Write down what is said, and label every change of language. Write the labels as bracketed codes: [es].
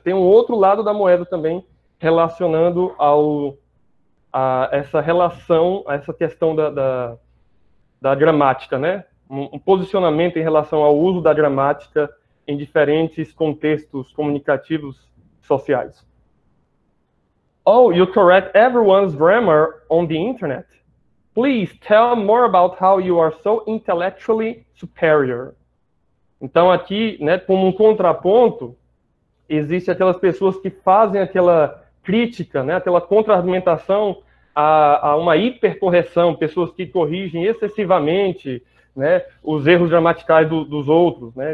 [pt] Tem um outro lado da moeda também relacionando a essa relação, a essa questão da gramática, né? Um posicionamento em relação ao uso da gramática em diferentes contextos comunicativos sociais. [en] Oh, you correct everyone's grammar on the internet? Please tell more about how you are so intellectually superior. [pt] Então aqui, né, como um contraponto, existe aquelas pessoas que fazem aquela crítica, né, aquela contra-argumentação a uma hipercorreção, pessoas que corrigem excessivamente, né, os erros gramaticais dos outros, né?